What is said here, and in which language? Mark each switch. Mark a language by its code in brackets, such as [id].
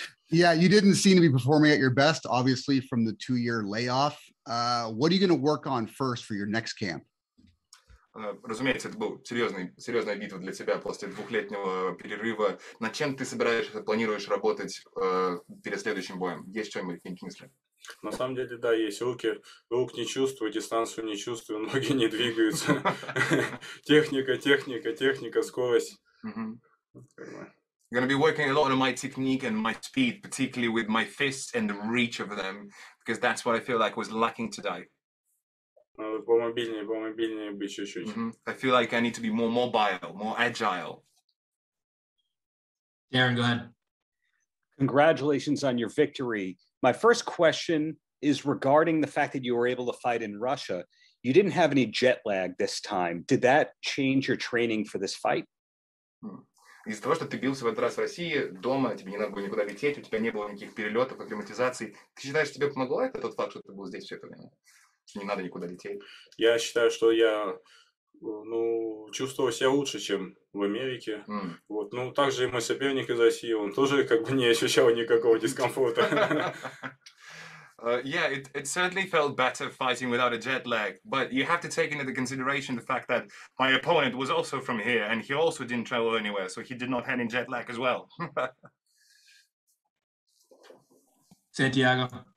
[en] Yeah, you didn't seem to be performing at your best, obviously, from the 2-year layoff. What are you going to work on first for your next camp? [ru] Разумеется, это был серьезная битва для тебя после двухлетнего перерыва. Над чем ты планируешь работать перед следующим боем? Есть что-нибудь интересное? На самом деле, да, есть. Рук не чувствую, дистанцию не чувствую, ноги не двигаются. Техника, скорость. [en] I'm going to be working a lot on my technique and my speed, particularly with my fists and the reach of them, because that's what I feel like was lacking today. [ru] По мобильнее быть чуть-чуть. [en] I feel like I need to be more mobile, more agile. Darren, go ahead. Congratulations on your victory. My first question is regarding the fact that you were able to fight in Russia. You didn't have any jet lag this time. Did that change your training for this fight? [ru] Из-за того, что ты бился в этот раз в России, дома, тебе не надо было никуда лететь, у тебя не было никаких перелетов, акклиматизации. Ты считаешь, тебе помогло это, тот факт, что ты был здесь все это время? Что не надо никуда лететь? Я считаю, что я чувствовал себя лучше, чем в Америке. Вот. Ну, также и мой соперник из России, он тоже как бы не ощущал никакого дискомфорта. [en] Yeah, it certainly felt better fighting without a jet lag, but you have to take into consideration the fact that my opponent was also from here, and he also didn't travel anywhere, so he did not have any jet lag as well. Santiago.